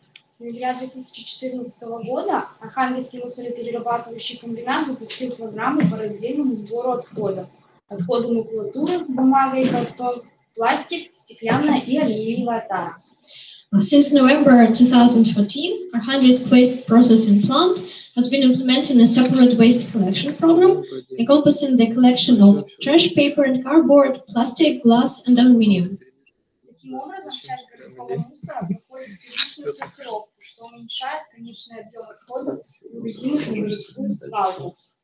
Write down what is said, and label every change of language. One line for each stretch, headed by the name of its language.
Russian: С ноября 2014 года Архангельский мусороперерабатывающий комбинат запустил программу по раздельному сбору отходов. Отходы макулатуры, бумага и картон, пластик, стеклянная и алюминиевая тара.
English: Since November 2014, Arkhangelsk Waste Processing Plant has been implementing a separate waste collection program encompassing the collection of trash paper and cardboard, plastic, glass and aluminium.
Russian: Таким образом, часть городского мусора проходит первичную сортировку, что уменьшает конечный объем отходов, увозимых в городскую свалку.